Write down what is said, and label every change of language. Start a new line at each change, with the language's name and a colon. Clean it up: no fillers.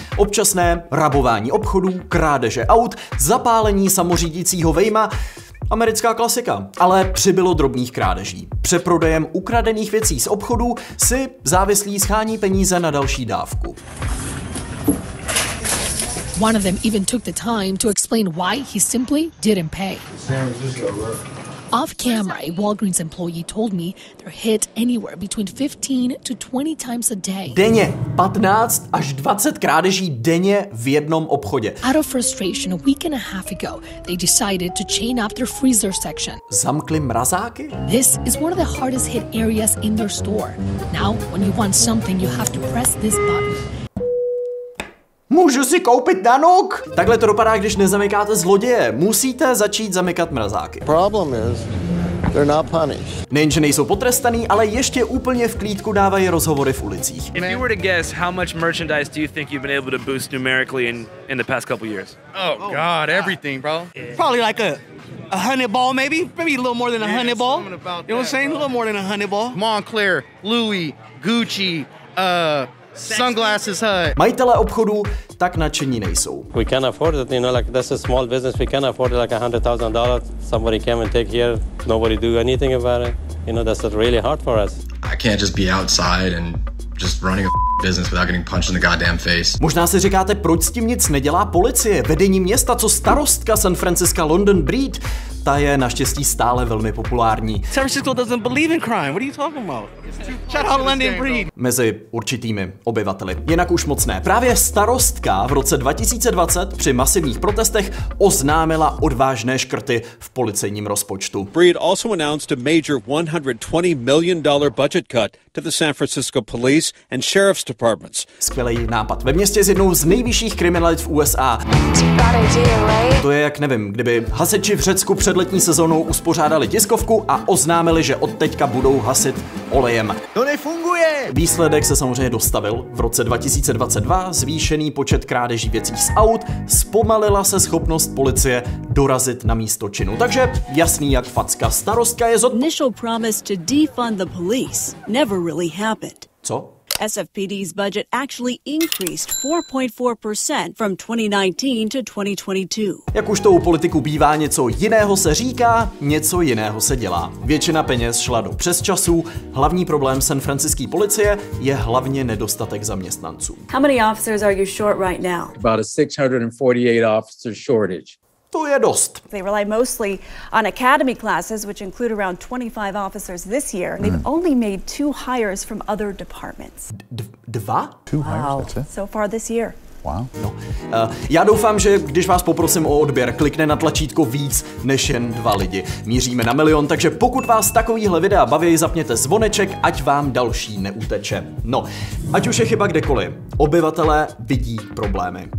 Czech: Občasné rabování obchodů, krádeže aut, zapálení samořídícího vejma, americká klasika. Ale přibylo drobných krádeží. Přeprodejem ukradených věcí z obchodů si závislí schání peníze na další dávku.
English: One of them even took the time to explain why he simply didn't pay. Off camera, a Walgreens employee told me they're hit anywhere between 15 to 20 times a day.
Czech: Denně 15 až 20 krádeží denně v jednom obchodě.
English: Out of frustration, a week and a half ago, they decided to chain up their freezer section.
Czech: Zamkli mrazáky?
English: This is one of the hardest hit areas in their store. Now, when you want something, you have to press this button.
Czech: Můžu si koupit nanuk? Takhle to dopadá, když nezamykáte zloděje. Musíte začít zamykat mrazáky.
English: Problem is, they're not punished.
Czech: Nejenže nejsou potrestaný, ale ještě úplně v klídku dávají rozhovory v ulicích.
English: If you were to guess, how much merchandise do you think you've been able to boost numerically in the past couple years? Oh god, everything, bro. Probably like a honey ball maybe? Maybe a little more than a honey ball. You know what I'm saying? A little more than a honey ball. Montclair, Louis, Gucci, Sunglasses, hi.
Czech: Majitelé obchodu tak nadšení nejsou.
English: We can afford it, you know, like that's a small business. We can afford like $100,000. Somebody came and take here. Nobody do anything about it. You know, that's really hard for us. I can't just be outside and just running a business without getting punched in the goddamn face.
Czech: Možná si říkáte, proč s tím nic nedělá policie, vedení města, co starostka San Francisco, London Breed. ta je naštěstí stále velmi populární.
English: San Francisco doesn't believe in crime. What are you talking about? Shout out London Breed.
Czech: Mezi určitými obyvateli. Jinak už moc ne. Právě starostka v roce 2020 při masivních protestech oznámila odvážné škrty v policejním rozpočtu.
English: Breed also announced a major $120 million budget cut to the San Francisco Police and Sheriff's Departments.
Czech: Skvělej nápad. Ve městě s jednou z nejvyšších kriminalit v USA. To je jak nevím, kdyby hasiči v Řecku před letní sezónou uspořádali tiskovku a oznámili, že od teďka budou hasit olejem. To nefunguje! Výsledek se samozřejmě dostavil. V roce 2022 zvýšený počet krádeží věcí z aut, zpomalila se schopnost policie dorazit na místo činu. Takže jasný jak facka, starostka je
English: Initial promise to defund the police never really happened.
Czech: Co?
English: SFPD's budget actually increased 4.4% from 2019 to 2022.
Czech: Jak už to u politiku bývá, něco jiného se říká, něco jiného se dělá. Většina peněz šla do přesčasů. Hlavní problém San Franciské policie je hlavně nedostatek zaměstnanců.
English: How many officers are you short right now? About a 648 officer shortage.
Czech: To je dost.
English: They rely mostly on academy classes, which include around 25 officers this year. They've only made two hires from other departments.
Czech: Dva?
English: Two hires, wow. That's it. So far this year. Wow.
Czech: No. Já doufám, že když vás poprosím o odběr, klikne na tlačítko víc než jen dva lidi. Míříme na milion, takže pokud vás takovýhle videa baví, zapněte zvoneček, ať vám další neuteče. No, ať už je chyba kdekoliv, obyvatelé vidí problémy.